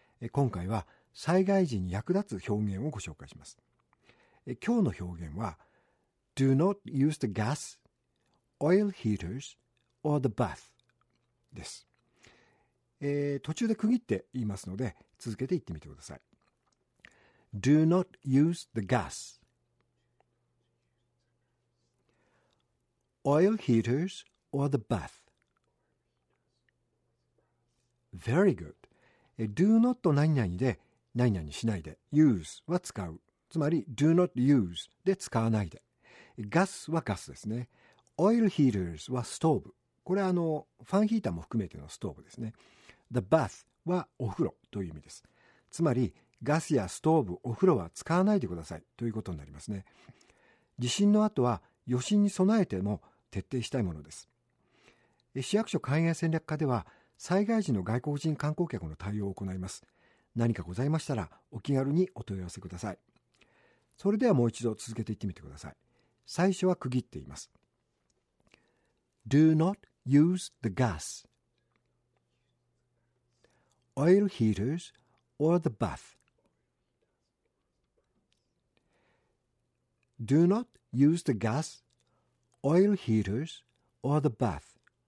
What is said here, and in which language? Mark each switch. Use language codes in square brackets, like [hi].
[ja] 今回は災害時に役立つ表現をご紹介します。 [en] 今日の表現は Do not use the gas, oil heaters, or the bath です。 [ja] 途中で区切って言いますので続けて言ってみてください。 [en] Do not use the gas, oil heaters, or the bath. [ja] Very good. Do not と何々で何々しないで use は使う。つまり、 do not use で使わないで。ガスはガスですね。 oil heaters はストーブ。これはファンヒーターも含めてのストーブですね。 the bath はお風呂という意味です。つまり、ガスやストーブ、お風呂は使わないでくださいということになりますね。地震の後は余震に備えても徹底したいものです。市役所海外戦略課では、災害時の外国人観光客の対応を行います。何かございましたら、お気軽にお問い合わせください。それではもう一度続けていってみてください。最初は区切っています。 [en] Do not use the gas, oil heaters, or the bath. Do not use the gas, oil heaters, or the bath.